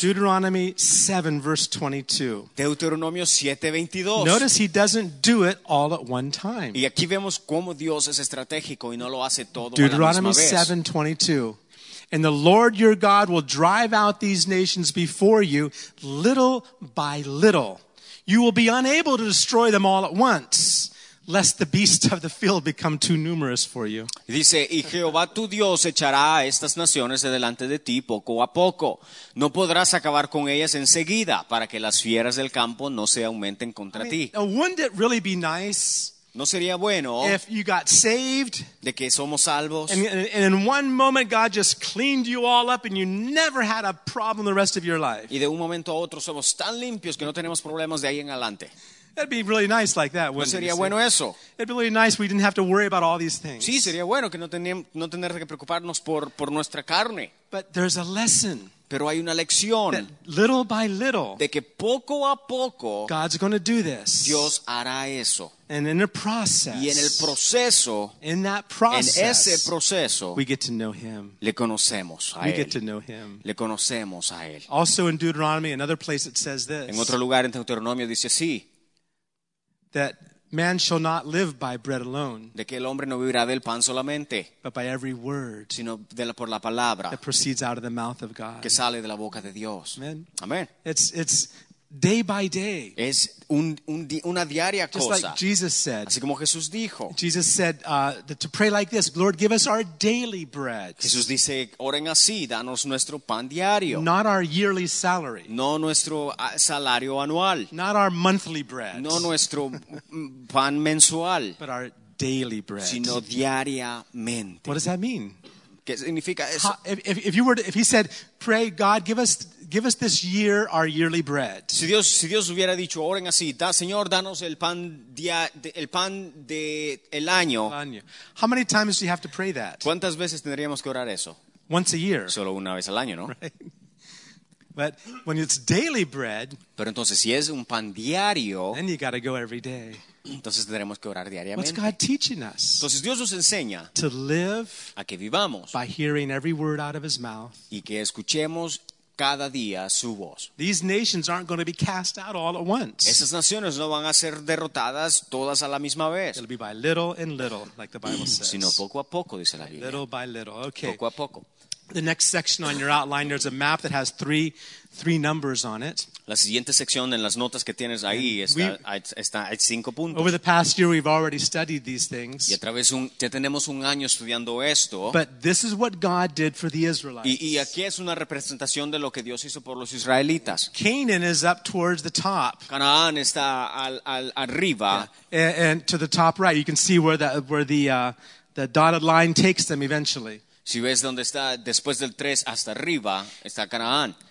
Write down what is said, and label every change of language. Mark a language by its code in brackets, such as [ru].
[en] Deuteronomy 7, verse 22. [es] Deuteronomio 7, 22. [en] Notice he doesn't do it all at one time. [es] Y aquí vemos cómo Dios es estratégico y no lo hace todo [en] Deuteronomy [es] a la misma vez. [en] Deuteronomy 7, 22. And the Lord your God will drive out these nations before you, little by little. You will be unable to destroy them all at once, lest the beasts of the field become too numerous for you. [es] Dice, y Jehová tu Dios echará a estas naciones delante de ti poco a poco. No podrás acabar con ellas enseguida, para que las fieras del campo no se aumenten contra ti. [en] Now, wouldn't it really be nice? [es] ¿No sería bueno [en] if you got saved, [es] de que somos salvos, [en] and in one moment God just cleaned you all up and you never had a problem the rest of your life? [es] Y de un momento a otro somos tan limpios que no tenemos problemas de ahí en adelante. [en] It'd be really nice like that, wouldn't [es] it? Sería bueno eso. [en] It'd be really nice we didn't have to worry about all these things. [es] Sí, sería bueno que no tener que preocuparnos por nuestra carne. [en] But there's a lesson. [es] Pero hay una lección. [en] That little by little, [es] de que poco a poco, [en] God's going to do this. [es] Dios hará eso. [en] And in the process, [es] y en el proceso, [en] in that process, [es] en ese proceso, [en] we get to know him. [es] Le conocemos a [en] we [es] él. [en] Get to know him. [es] Le conocemos a él. [en] Also in Deuteronomy, another place it says this. [es] En otro lugar, en Deuteronomio, dice así. [en] That man shall not live by bread alone. [es] De que el hombre no vivirá del pan solamente. [en] But by every word. [es] Sino por la palabra. [en] That proceeds out of the mouth of God. [es] Que sale de la boca de Dios. [en] Amen. [es] Amen. [en] It's day by day. [es] Es una diaria cosa. [en] Just like Jesus said. [es] Así como Jesús dijo. [en] Jesus said to pray like this, Lord, give us our daily bread. [es] Jesús dice, oren así, danos nuestro pan diario. [en] Not our yearly salary. [es] No nuestro salario anual. [en] Not our monthly bread. [es] No nuestro pan mensual. [en] But our daily bread. [es] Sino diariamente. [en] What does that mean? [es] ¿Qué significa eso? [en] If he said, pray, God, give us this year our yearly bread. [es] Si Dios hubiera dicho, oren así, da, Señor, danos el pan de el año. [en] How many times do you have to pray that? [es] ¿Cuántas veces tendríamos que orar eso? [en] Once a year. [es] Solo una vez al año, ¿no? [en] Right. But when it's daily bread, [es] pero entonces si es un pan diario, [en] then you got to go every day. [es] Entonces tendremos que orar diariamente. [en] What's God teaching us? [es] Entonces Dios nos enseña [en] to live [es] a que vivamos [en] by hearing every word out of His mouth, [es] y que escuchemos cada día su voz. [en] These nations aren't going to be cast out all at once. [es] Esas naciones no van a ser derrotadas todas a la misma vez. [en] It'll be by little and little, like the Bible says. [es] Sino poco a poco, dice la Biblia. [en] Little by little, okay. [es] Poco a poco. [en] The next section on your outline, there's a map that has three numbers on it. [es] La siguiente sección en las notas que tienes ahí está cinco puntos. [en] Over the past year, we've already studied these things. [es] Y a través ya tenemos un año estudiando esto. [en] But this is what God did for the Israelites. [es] Y aquí es una representación de lo que Dios hizo por los israelitas. [en] Canaan is up towards the top. [es] Canaán está al arriba. [en] Yeah. And to the top right, you can see where the dotted line takes them eventually. [es] Si ves dónde está después del 3 hasta arriba, está Canaán.